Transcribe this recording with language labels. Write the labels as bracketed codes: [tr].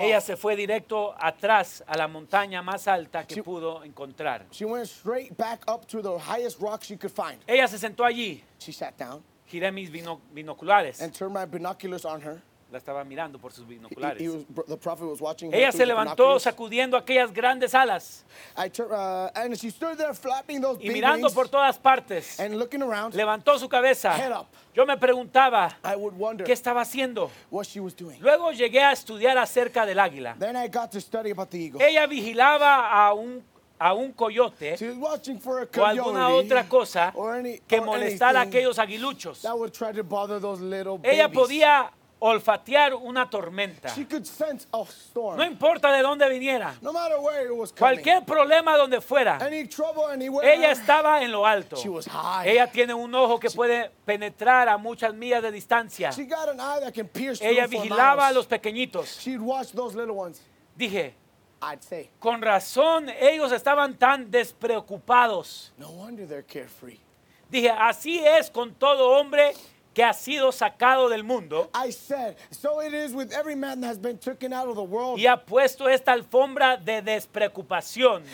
[es] ella se fue directo atrás a la montaña más alta que pudo encontrar. [en] She went straight back up to the highest rock she could find. [es] Ella se sentó allí. [en] She sat down. [es] Giré mis binoculares. [en] And turned my binoculars on her. [es] La estaba mirando por sus binoculares. [en] The prophet was watching. [es] Ella se levantó sacudiendo aquellas grandes alas. [en] And she stood there flapping those big wings. [es] Y mirando por todas partes. [en] And looking around. [es] Levantó su cabeza. [en] Head up. [es] Yo me preguntaba. [en] I would wonder. [es] ¿Qué estaba haciendo? [en] What she was doing. [es] Luego llegué a estudiar acerca del águila. [en] Then I got to study about the eagle. [es] Ella vigilaba a un coyote, [en] she was watching for a coyote [es] o alguna otra cosa que molestara a aquellos aguiluchos. [en] That would try to bother those little babies. [es] Ella podía olfatear una tormenta. [en] She could sense a storm. [es] No importa de dónde viniera. [en] No matter where it was coming. [es] Cualquier problema donde fuera. [en] Any trouble anywhere. [es] Ella estaba en lo alto. [en] She was high. [es] Ella tiene un ojo que puede penetrar a muchas millas de distancia. [en] She got an eye that can pierce through. [es] Ella vigilaba a los pequeñitos. [en] She'd watch those little ones. [es] Dije, [en] I'd say, [es] con razón ellos estaban tan despreocupados. [en] No wonder they're carefree. [es] Dije, así es con todo hombre que ha sido sacado del mundo. [en] I said, so it is with every man that has been taken out of the world. [es] Y ha puesto esta alfombra de despreocupación.